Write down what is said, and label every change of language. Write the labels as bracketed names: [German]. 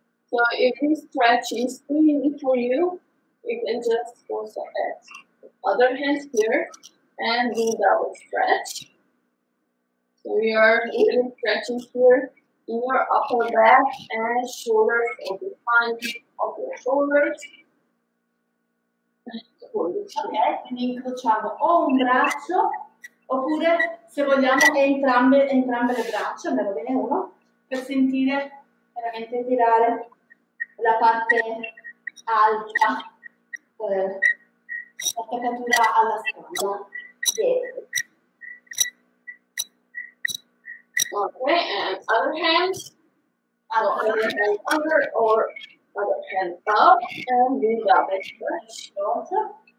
[English] So if this stretch is too easy for you, you can just also add the other hand here and do double stretch. So you are really stretching here in your upper back and shoulders or behind of your shoulders. [Italian] Ok, quindi incrociamo o un braccio oppure se vogliamo entrambe le braccia, andiamo bene uno, per sentire veramente tirare la parte alta, l'attaccatura alla spalla dietro. [English] Ok, and other hand up, and do double stretch. Okay.